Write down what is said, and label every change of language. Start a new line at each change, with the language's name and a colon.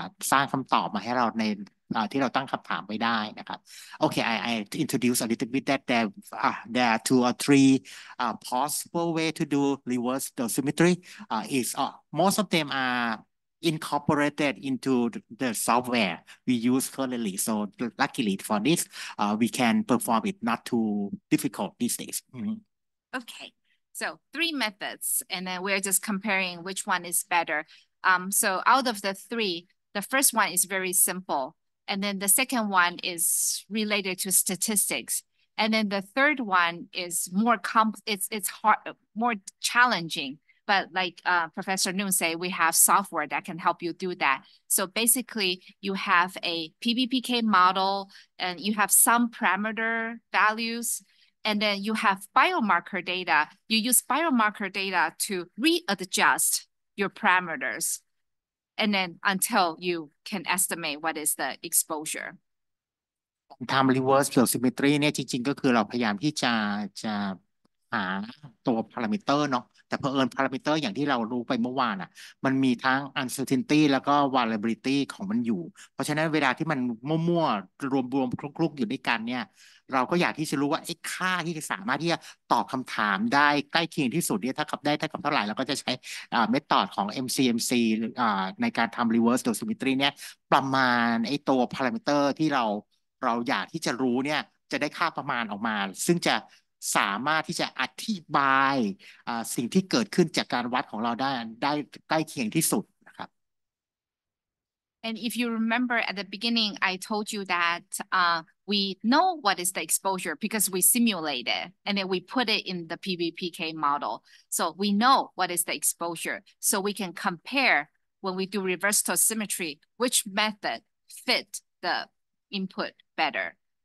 Thai: สร้างคำตอบมาให้เราในที่เราตั้งคำถามไปได้นะครับโอเค
English: I introduce a little bit that there are two or three possible way to do reverse dosimetry most of them are incorporated into the software we use currently so luckily for this we can perform it not too difficult these days okay So three methods, and then we're just comparing which one is better. So out of the three, the first one is very simple. And then the second one is related to statistics. And then the third one is more hard, more challenging. But like Professor Noon said, we have software that can help you do that. So basically you have a PBPK model and you have some parameter values. And then you have biomarker data. You use biomarker data to readjust your parameters. And then until you can estimate what is the exposure.
Thai: Time reverse dosimetry, เนี่ยจริงๆก็คือเราพยายามที่จะหาตัวพารามิเตอร์เนาะแต่เผอิญพารามิเตอร์อย่างที่เรารู้ไปเมื่อวานอ่ะมันมีทั้ง uncertainty แล้วก็ variability ของมันอยู่เพราะฉะนั้นเวลาที่มันมั่วๆรวมๆคลุกๆอยู่ด้วยกันเนี่ยเราก็อยากที่จะรู้ว่าไอ้ค่าที่จะสามารถที่จะตอบคำถามได้ใกล้เคียงที่สุดเนี่ยถ้ากับได้ถ้ากับเท่าไหร่เราก็จะใช้method ของ MCMC ในการทำ reverse dosimetry เนี่ยประมาณไอ้ตัวพารามิเตอร์ที่เรา เราอยากที่จะรู้เนี่ยจะได้ค่าประมาณออกมาซึ่งจะสามารถที่จะอธิบายสิ่งที่เกิดขึ้นจากการวัดของเราได้ใกล้เคียงที่สุดนะครับ
English: And if you remember at the beginning, I told you that we know what is the exposure because we simulate it and then we put it in the PBPK model. So we know what is the exposure. So we can compare when we do reverse tosimetry, which method fit the input better.